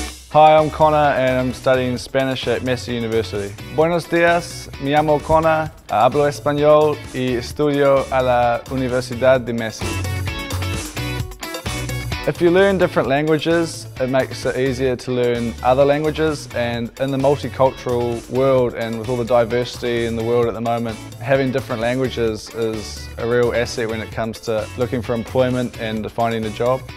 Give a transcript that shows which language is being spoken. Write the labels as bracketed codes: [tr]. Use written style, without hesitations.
[en] Hi, I'm Connor and I'm studying Spanish at Massey University. [es] Buenos dias, me llamo Connor, hablo español y estudio a la Universidad de Massey. [en] If you learn different languages, it makes it easier to learn other languages, and in the multicultural world and with all the diversity in the world at the moment, having different languages is a real asset when it comes to looking for employment and finding a job.